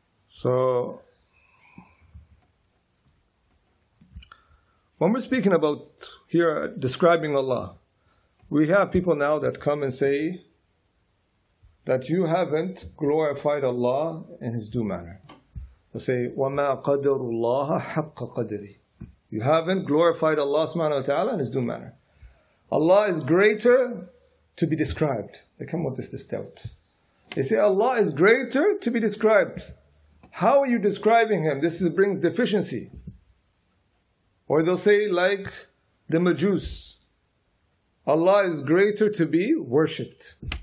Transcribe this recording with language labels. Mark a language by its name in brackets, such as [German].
[English] So when we're speaking about here describing Allah, we have people now that come and say that you haven't glorified Allah in his due manner. They say, [Arabic] وَمَا قَدَرُ اللَّهَ حَقَّ قَدْرِ. [English] You haven't glorified Allah subhanahu wa ta'ala in his due manner. Allah is greater to be described. They come with this doubt. They say, Allah is greater to be described. How are you describing him? This brings deficiency. Or they'll say, like the Majus, Allah is greater to be worshipped.